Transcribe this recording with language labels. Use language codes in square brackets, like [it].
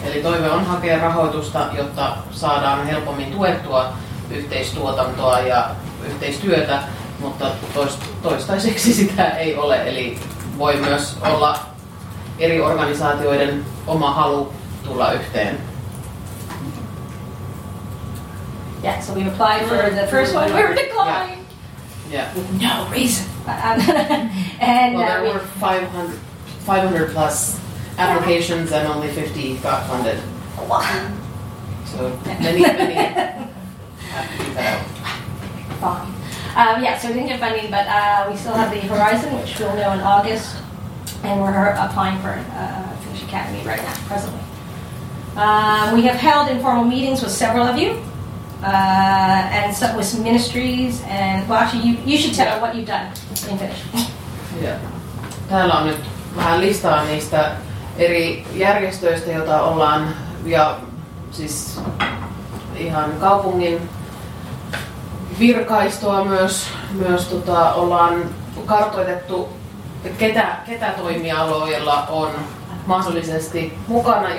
[fi] Eli toive on hakea rahoitusta, jotta saadaan helpommin tuettua yhteistuotantoa ja yhteistyötä, mutta toistaiseksi sitä ei ole, eli voi myös olla eri organisaatioiden oma halu tulla yhteen. [en] Yeah, so we applied for the first one. We were declined. Yeah. With no reason. And well, there were 500 plus applications and only 50 got funded. So many. Fine. Yeah, so we didn't get funding, but we still have the Horizon, which we'll know in August. And we're applying for Finnish Academy right now, presently. We have held informal meetings with several of you, and some with some ministries, and, well, actually, you should tell what you've done in Finnish. Yeah. [fi] Täällä on nyt vähän listaa niistä eri järjestöistä, joita ollaan, ja siis ihan kaupungin virkaistoa myös ollaan kartoitettu, ketä toimialoilla on mahdollisesti mukana.